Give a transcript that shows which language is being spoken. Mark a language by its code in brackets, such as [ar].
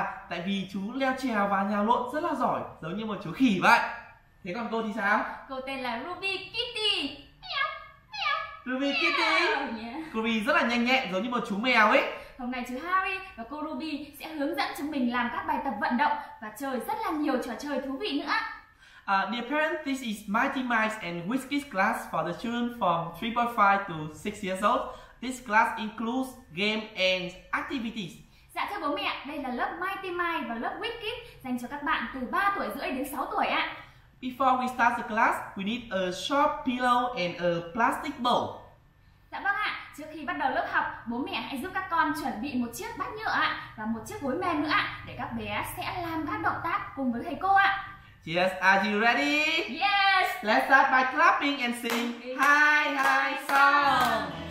[vi] Tại vì chú leo trèo và nhào lộn rất là giỏi, giống như một chú khỉ vậy. Thế còn cô thì sao? Cô tên là Ruby Kitty. Ruby Kitty. Ruby rất là nhanh nhẹn giống như một chú mèo ấy. Hôm nay chú Harry và cô Ruby sẽ hướng dẫn chúng mình làm các bài tập vận động và chơi rất là nhiều trò chơi thú vị nữa. [en] Dear parents, this is Mighty Mike's and Whiskey's class for the children from 3.5 to 6 years old. This class includes game and activities. [vi] Dạ thưa bố mẹ, đây là lớp Mighty Mike và lớp Whiskey dành cho các bạn từ 3 tuổi rưỡi đến 6 tuổi ạ. [en] Before we start the class, we need a soft pillow and a plastic bowl. [vi] Dạ vâng ạ. Trước khi bắt đầu lớp học, bố mẹ hãy giúp các con chuẩn bị một chiếc bát nhựa ạ và một chiếc gối mềm nữa ạ để các bé sẽ làm các động tác cùng với thầy cô ạ. [en] Yes, are you ready? Yes. Let's start by clapping and sing hi hi song.